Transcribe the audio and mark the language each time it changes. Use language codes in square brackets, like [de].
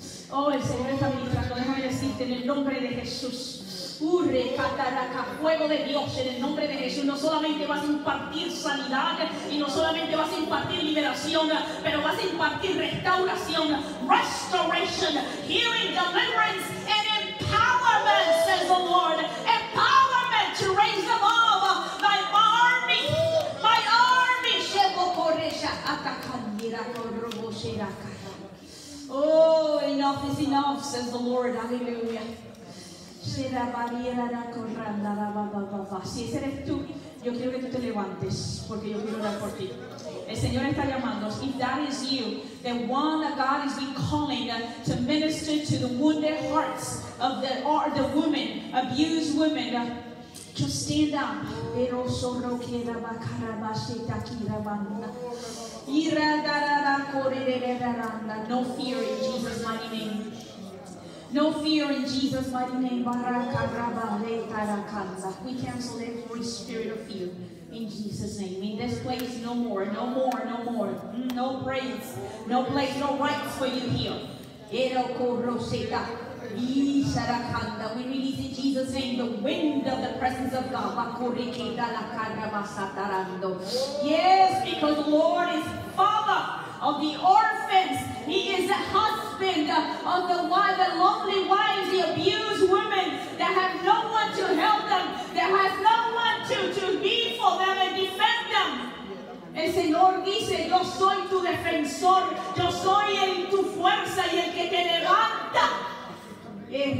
[es] Oh, el Señor está ministrando, déjame decirte, en el nombre de Jesús. Urrecataraca, fuego de Dios, en el nombre de Jesús. No solamente vas a impartir sanidad, y no solamente vas a impartir liberación, pero vas a impartir restauración. [en] Restoration, healing, deliverance, and empowerment, says the Lord. Empowerment to raise above thy army. My army, Shebo Koresha, Atakandira Korobo Sheraka. Oh, enough is enough, says the Lord. Hallelujah. [es] Si ese eres tú, yo quiero que tú te levantes, porque yo quiero orar por ti. El Señor está llamando. [en] If that is you, the one that God has been calling to minister to the wounded hearts of the women, abused women, just stand up. [es] Pero solo queda bacara basita kira banda. Ira darara kore darara. [en] No fear in Jesus' mighty name. No fear in Jesus' mighty name. Baraka raba le tarakanda. We cancel every spirit of fear in Jesus' name. In this place, no more, no more, no more. No praise, no place, no rights for you here. Ero koroseta. Isarakanda. We release in Jesus' name the wind of the presence of God. Bakurikeda la karaba satarando. Yes, because the Lord is Father of the orphans. He is a husband of the lonely wives, the abused women that have no one to help them, that has no one to be for them and defend them. [es] El Señor dice, yo soy tu defensor, yo soy el tu fuerza y el que te levanta.